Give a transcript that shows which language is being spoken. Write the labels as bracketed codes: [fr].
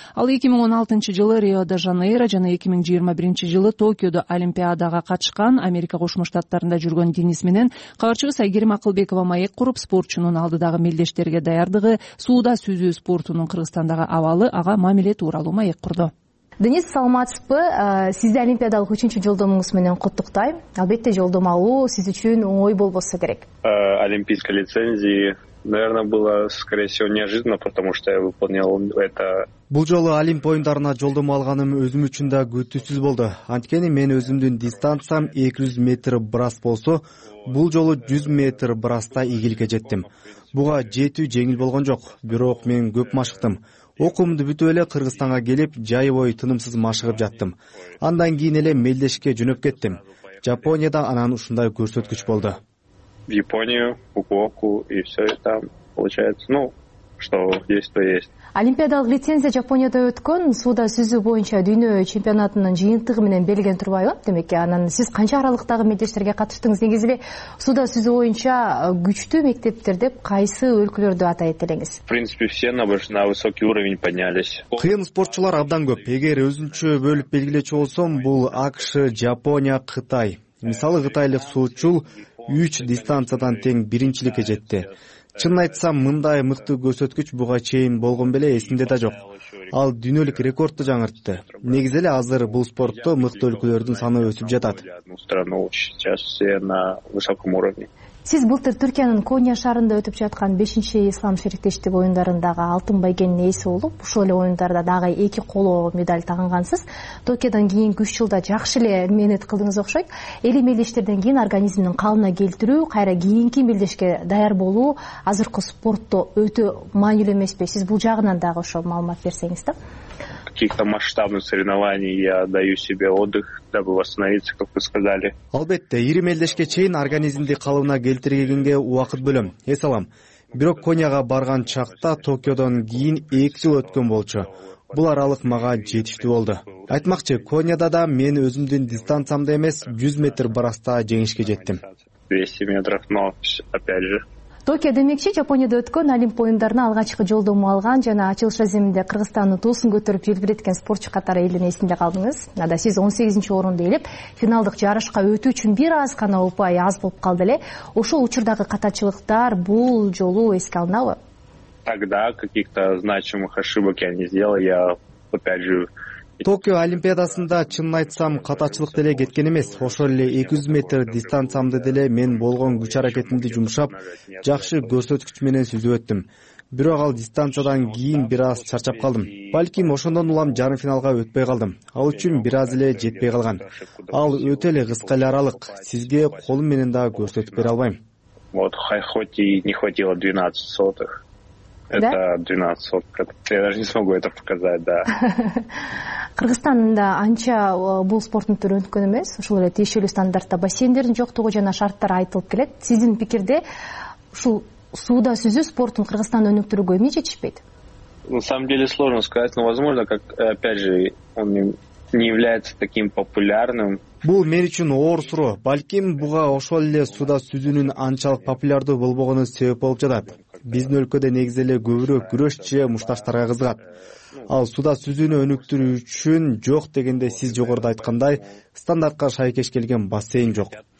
[ky] Ал 2016 жылы Рио-де-Жанейро жана 2021 жылы Токиодо Олимпиадага катышкан, Америка Кошмо Штаттарында жүргөн Денис менен кабарчыбыз Айгерим Акылбекова маек куруп, спортчунун алдыдагы мелдештерге даярдыгы, сууда сүзүү спортунун Кыргызстандагы абалы, ага мамиле тууралуу маек курду. Денис, саламатсызбы? Сизди Олимпиадалык 3-чү жолдомуңуз менен куттуктайм. Албетте, жолдом алуу сиз үчүн оңой болбосо керек. [ru] Олимпийская лицензия, наверное, было, скорее всего, неожиданно, потому что я выполнил это. [ky] Бул жолу Олимп оюндарына жолдом алганым өзүм үчүн да күтүүсүз болду. Анткени мен өзүмдүн дистанциям 200 метр брас болсо, бул жолу 100 метр браста ийгилике жеттим. Буга жетүү жеңил болгон жок, бирок мен көп машыктым. Окуумду бүтүп эле Кыргызстанга келип, жай бою тынымсыз машыгып жаттым. Андан кийин эле мелдешке жөнөп кеттим. Жапонияда анан ушундай көрсөткүч болду. [ru] В Японию, Фукуоку и все это там получается, ну, что есть, то есть. [ky] Олимпиадалык лицензия Жапонияда өткөн, сууда сүзүү боюнча дүйнө чемпионатынын жыйынтыгы менен белгилен турбайбы? Демек, анан сиз канча аралыктагы мелдештерге катыштыңыз? Негизи эле сууда сүзүү боюнча күчтүү мектептер деп кайсы өлкөлөрдү атайт элеңиз? [ru] В принципе, все на большой, на высокий уровень поднялись. [ky] Кыйын спортчулар абдан көп. Эгер өзүнчө бөлүп белгилечү болсом, бул АКШ, Жапония, Кытай. Мисалы, кытайлык суучул 3 дистанциядан тең биринчиликке жетти. Чынын айтсам, мындай мыкты көрсөткүч буга чейин болгон беле эсимде да жок. Ал дүйнөлүк рекордду жаңыртты. Негизи эле азыр бул спортто мыкты өлкөлөрдүн саны өсүп жатат. Сиз былтыр Түркиянын Конья шаарында өтүп жаткан 5-чи ислам шериктештиги оюндарындагы алтын байгенин ээси болуп, ошол эле оюндарда дагы 2 коло медаль тагынгансыз. Токиодон кийин 3 жылда жакшы эле мээнет кылдыңыз окшойт. Эле мелдештерден кийин организмдин калыбына келтирүү, кайра кийинки мелдешке даяр болуу азыркы спортто өтө маанилүү эмеспи? Сиз бул жагынан дагы ошол маалымат берсеңиз да. [ru] Каких-то масштабных соревнований я даю себе отдых, дабы восстановиться, как вы сказали. [ky] Албетте, 20 мелдешке чейин организмди калыбына келтиргенге убакыт бөлөм. Эс алам. Бирок Конияга барган чакта Токиодон кийин 2 жыл өткөн болчу. Бул аралык мага жетиштүү болду. Айтмакчы, Конияда да мен өзүмдүн дистанциямда эмес, 100 метр браста жеңишке жеттим. [ru] 200 метров, но опять же. [ky] Токио демекчи, Жапонияда өткөн Олимп оюндарына алгачкы жолдому алган жана ачылыш рәсимінде Кыргызстанды туусун көтөрүп желбиреткен спортчу катары элдин эсинде калдыңыз. Анда сиз 18-чи орунду ээлеп, финалдык жарышка өтүү үчүн бир аз гана упай аз болуп калды эле. Ошол учурдагы катачылыктар бул жолу эске алынабы? [ru] Тогда каких-то значимых ошибок я не сделал, я опять же. [ky] Токио Олимпиадасында чынын айтсам катачылык деле кеткен эмес. Ошол эле 200 метр дистанциямды деле мен болгон күч аракетимди жумшап, жакшы көрсөткүч менен сүзүп өттүм. Бирок ал дистанциядан кийин бир аз чарчап калдым. Балким ошондон улам жарым финалга өтпөй калдым. Ал үчүн бир аз эле жетпей калган. Ал өтө эле кыска эле аралык. Сизге колум менен дагы көрсөтүп бере албайм. [ru] Вот, хоть и не хватило 12 сотых. Это да? 12 соток. Я даже не смогу это показать, да. [ky] Кыргызстанда анча бул спорттун түрү өткөн эмес. Ошол эле тиешелүү стандартта бассейндердин жоктугу жана шарттар айтылып келет. Сиздин пикирде ушул сууда сүзүү спортун Кыргызстанды өнүктүрүүгө эмне жетишпейт? [ru] На самом деле сложно сказать, но возможно, как опять же, он не является таким популярным. [ky] Бул мен үчүн оор суроо. Балким буга ошол эле сууда сүзүүнүн анчалык популярдуу болбогону себеп болуп жатат. Биздин өлкөдө негизи эле көбүрөөк күрөш же мушташтарга кызыгат. Ал сууда сүзүүнү өнүктүрүү үчүн жок дегенде сиз жогоруда айткандай стандартка шайкеш келген бассейн жок.